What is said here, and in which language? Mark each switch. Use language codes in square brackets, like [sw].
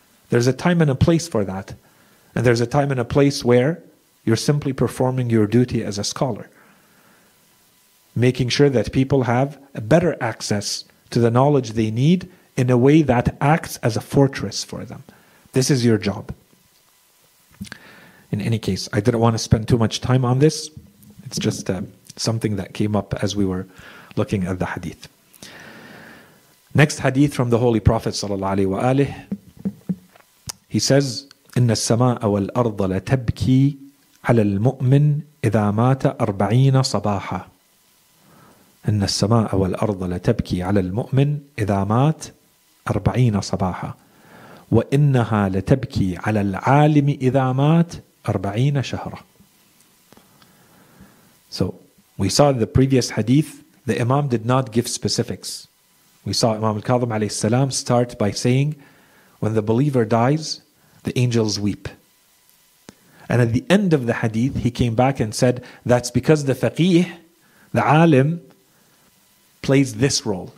[en] There's a time and a place for that. And there's a time and a place where you're simply performing your duty as a scholar, making sure that people have a better access to the knowledge they need in a way that acts as a fortress for them. This is your job. In any case, I didn't want to spend too much time on this. It's just something that came up as we were looking at the hadith. Next hadith from the Holy Prophet sallallahu alaihi wa alihi. He says, [ar] إن السماء والأرض لتبكي على المؤمن إذا مات 40 صباحا. إن السماء والأرض لتبكي على المؤمن إذا مات 40 صباحا. وإنها لتبكي على العالم إذا مات 40 شهرا. [en] So we saw the previous hadith, the Imam did not give specifics. We saw Imam al-Kadhim alayhi salam start by saying, when the believer dies, the angels weep. And at the end of the hadith, he came back and said, that's because the faqih, the alim, plays this role.